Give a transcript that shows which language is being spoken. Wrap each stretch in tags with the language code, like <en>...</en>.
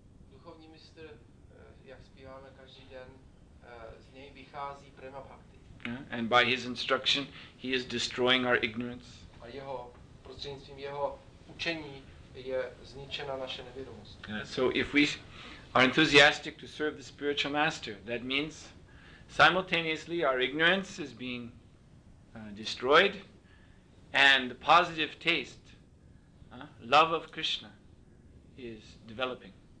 <cs>Duchovní mistr, jak zpíváme každý den, z něj vychází prema bhakti.</cs> <en>And by his instruction, he is destroying our ignorance.</en> <cs>A jeho prostřednictvím, jeho učení je zničena naše nevědomost.</cs> <en>So if we are enthusiastic to serve the spiritual master, that means simultaneously our ignorance is being destroyed, and the positive taste, love of Krishna, is developing.</en>